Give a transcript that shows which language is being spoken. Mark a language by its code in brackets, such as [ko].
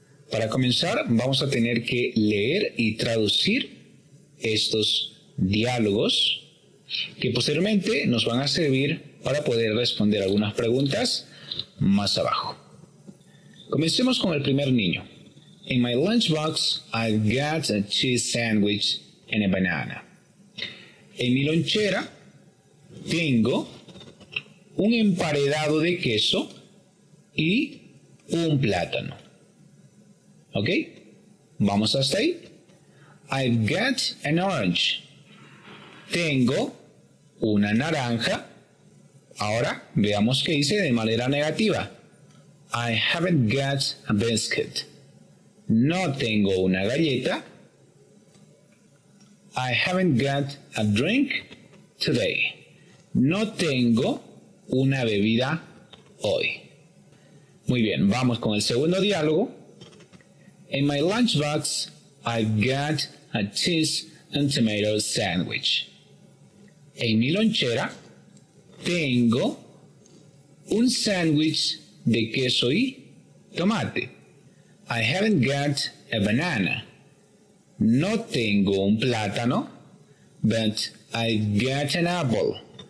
[es] Para comenzar, vamos a tener que leer y traducir estos diálogos que posteriormente nos van a servir para poder responder algunas preguntas más abajo. Comencemos con el primer niño. [en] In my lunchbox, I've got a cheese sandwich and a banana. [es] En mi lonchera tengo un emparedado de queso y un plátano. ¿Ok? Vamos hasta ahí. [en] I've got an orange. [es] Tengo una naranja. Ahora veamos qué dice de manera negativa. [en] I haven't got a biscuit. [es] No tengo una galleta. [en] I haven't got a drink today. [es] No tengo una bebida hoy. Muy bien, vamos con el segundo diálogo. [en] In my lunchbox, I've got a cheese and tomato sandwich. [es] En mi lonchera, tengo un sándwich de queso y tomate. [en] I haven't got a banana. [es] No tengo un plátano, [en] but I've got an apple.